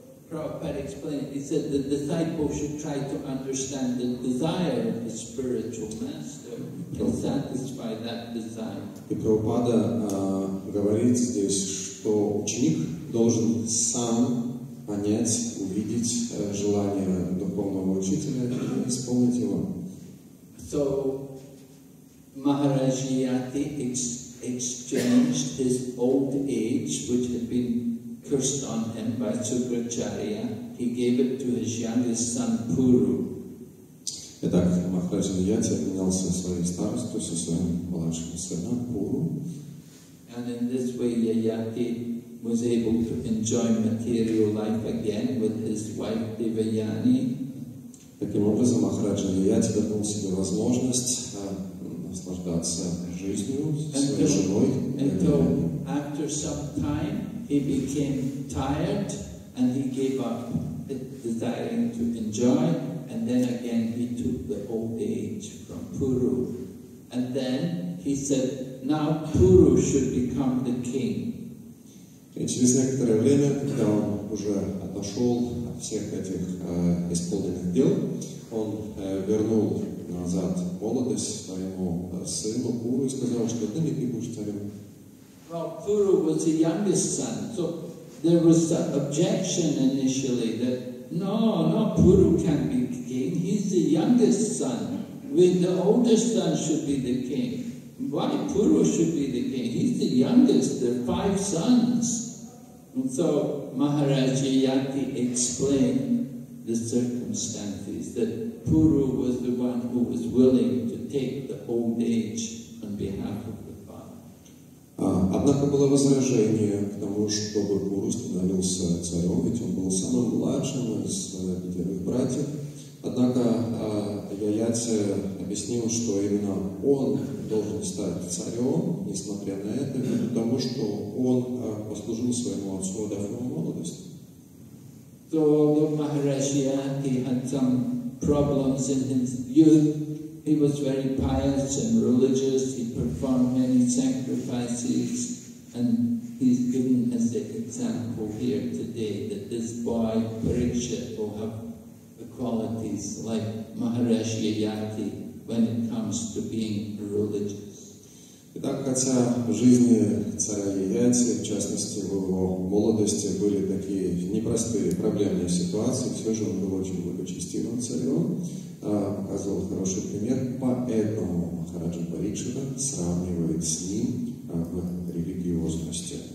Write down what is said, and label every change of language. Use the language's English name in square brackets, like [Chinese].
[English] Prabhupada explained, he said the disciple should try to understand the desire of the spiritual master and satisfy that desire. [Russian] И Прабхупада говорит здесь, что ученик должен сам понять, увидеть желание духовного учителя и исполнить его. [English] So Maharaja Yati exchanged his old age, which had been cursed on him by Shukracharya, he gave it to his youngest son Puru. [Russian] Итак, Махараджа Яяти обменялся своей старостью со своим младшим сыном Пуру. [English] And in this way, Яяти was able to enjoy material life again with his wife Devayani. [Russian] Таким образом, Махараджа Нияти дал себе возможность наслаждаться жизнью своей женой. [English] Until after some time, he became tired and he gave up desiring to enjoy, and then again he took the old age from Puru. And then he said, now Puru should become the king. [Russian] И через некоторое время, когда он уже отошел от всех этих исполненных дел, он вернул назад молодость своему сыну Пуру и сказал, что ты не будешь царем. [English] Well, Puru was the youngest son, so there was the objection initially that no, Puru can't be king, he's the youngest son. With the oldest son should be the king. Why Puru should be the king? He's the youngest, there are five sons. And so Maharaj Yati explained the circumstances that Puru was the one who was willing to take the old age on behalf of the father. [Russian] Однако было возражение к тому, чтобы Пуру становился царем, ведь он был самым младшим из пятерых братьев. Однако Яяце объяснил, что именно он должен стать царем, несмотря на это, ввиду того, что он послужил своему отцу, дав ему молодость. [English] So, although Maharaj Yati had some problems in his youth, he was very pious and religious, he performed many sacrifices, and he's given as an example here today that this boy, Parikshit, will have qualities like Maharishi Yati when it comes to being religious. [Russian] Итак, хотя в жизни царя Яяти, в частности в его молодости, были такие непростые проблемные ситуации, все же он был очень благочестивым царем, показывал хороший пример, поэтому Махараджа Парикшита сравнивает с ним в религиозности.